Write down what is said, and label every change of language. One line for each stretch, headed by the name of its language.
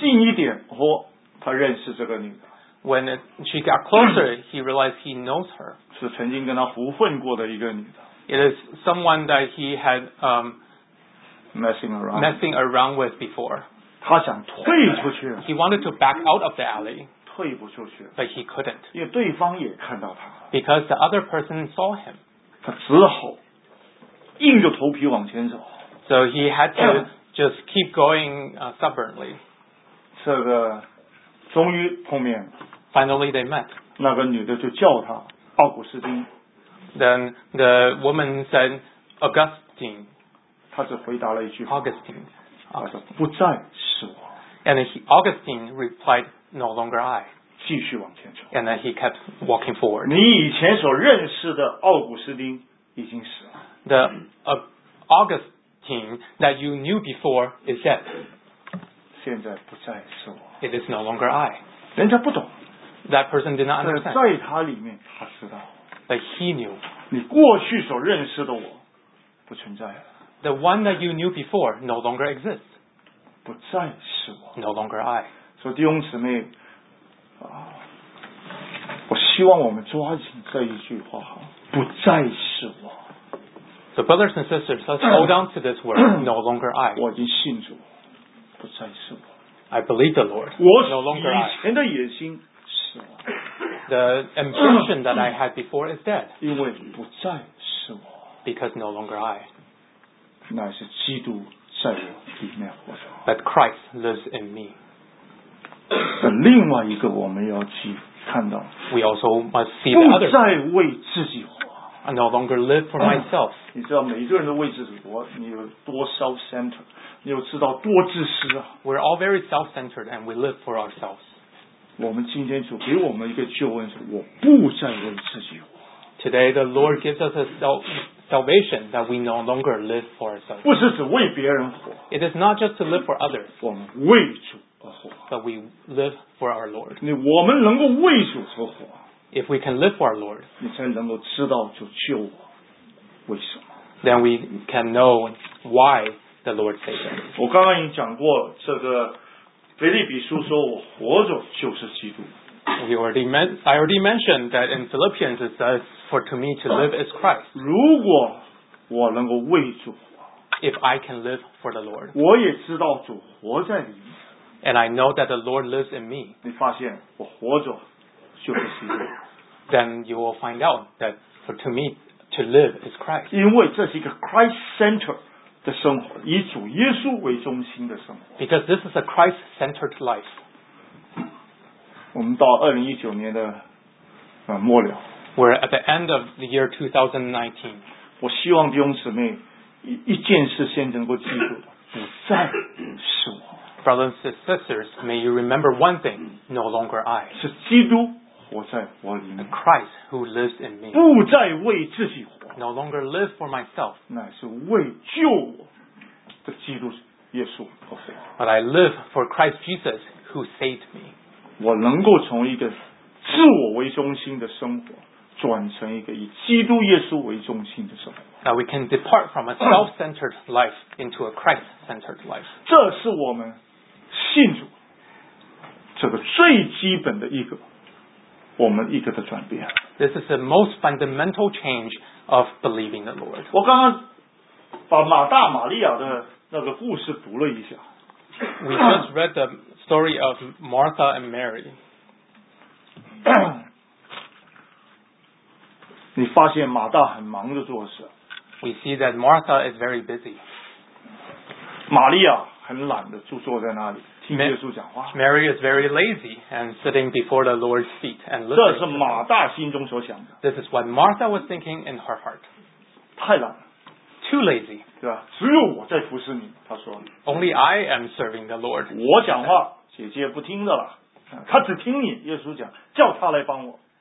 Chinese: 近一点, 哦, 他认识这个女的。
English: When she got closer, he realized he knows her.
Chinese: 是曾经跟他胡混过的一个女的。
English: It is someone that he had messing around with before.
Chinese: 他想退出去。
English: He wanted to back out of the alley.
Chinese: 退不出去,
English: but he couldn't.
Chinese: 因为对方也看到他,
English: because the other person saw him.
Chinese: 他只好, 硬着头皮往前走,
English: so he had to just keep going stubbornly.
Chinese: 这个, 终于碰面,
English: finally they met.
Chinese: 那个女的就叫他, 奥古斯丁,
English: then the woman said, Augustine.
Chinese: 他只回答了一句,
English: Augustine.
Chinese: 他说不再是我。
English: And Augustine replied, no longer I.
Chinese: 继续往前走,
English: and then he kept walking forward.
Chinese: 你以前所认识的奥古斯丁已经死了。
English: The Augustine that you knew before is dead.
Chinese: 现在不再是我。
English: It is no longer I.
Chinese: 人家不懂。
English: That person did not understand.
Chinese: 在他里面他知道。
English: But he knew.
Chinese: 你过去所认识的我不存在了。
English: The one that you knew before no longer exists.
Chinese: 不再是我。
English: No longer I.
Chinese: 所以弟兄姊妹, 我希望我们抓紧这一句话, 不再是我。
English: So brothers and sisters, let's hold on to this word, no longer I.
Chinese: 我已经信主, 不再是我。
English: I believe the Lord, no longer I.
Chinese: 我以前的野心死了。
English: The ambition that I had before is dead.
Chinese: 因为不再是我。
English: Because no longer I.
Chinese: 乃是基督在我里面活着。
English: But Christ lives in me.
Chinese: 另外一个我们要去看到,
English: we also must see the other,
Chinese: 不再为自己活,
English: I no longer live for myself.
Chinese: 你知道每一个人都为自己活, 你有多 self-centered, 你有知道多自私,
English: we're all very self-centered and we live for ourselves.
Chinese: 我们今天主给我们一个救恩, 我不再为自己活。
English: Today the Lord gives us a salvation that we no longer live for ourselves.
Chinese: 不是只为别人活,
English: it is not just to live for others.
Chinese: 我们为主,
English: but we live for our Lord.
Chinese: 我们能够为主而活,
English: if we can live for our Lord,
Chinese: 你才能够知道主救我,
English: then we can know why the Lord saved us.
Chinese: 我刚刚已经讲过这个腓立比书说我活着就是基督。
English: I already mentioned that in Philippians it says, for to me to live is Christ.
Chinese: 如果我能够为主活。
English: If I can live for the Lord.
Chinese: 我也知道主活在里面。
English: And I know that the Lord lives in me.
Chinese: 你发现我活着就是基督。
English: Then you will find out that for to me to live is Christ.
Chinese: 因为这是一个 Christ-centered 的生活，以主耶稣为中心的生活。
English: Because this is a Christ-centered life.
Chinese: 我们到2019年的末了。
English: We're at the end of the year 2019.
Chinese: 我希望弟兄姊妹一件事先能够记住，不再是我。
English: Brothers and sisters, may you remember one thing, no longer I.
Chinese: 是基督活在我里面。
English: Christ who lives in me.
Chinese: 不再为自己活。
English: No longer live for myself.
Chinese: 乃是为救我的基督耶稣活。
English: But I live for Christ Jesus who saved me.
Chinese: 我能够从一个自我为中心的生活转成一个以基督耶稣为中心的生活。
English: Now we can depart from a self-centered life into a Christ-centered life.
Chinese: 这是我们信主这个最基本的一个我们一个的转变。
English: This is the most fundamental change of believing the Lord.
Chinese: 我刚刚把马大玛利亚的那个故事读了一下。
English: We just read the story of Martha and Mary.
Chinese: 你发现马大很忙着做事。
English: We see that Martha is very busy.
Chinese: 玛利亚很懒的就坐在那里听耶稣讲话。
English: Mary is very lazy and sitting before the Lord's feet and listening.
Chinese: 这是马大心中所想的。
English: This is what Martha was thinking in her heart.
Chinese: 太懒了。
English: Too lazy.
Chinese: 对吧？只有我在服侍你，他说。
English: Only I am serving the Lord.
Chinese: 我讲话，姐姐不听的了。她只听你，耶稣讲，叫她来帮我。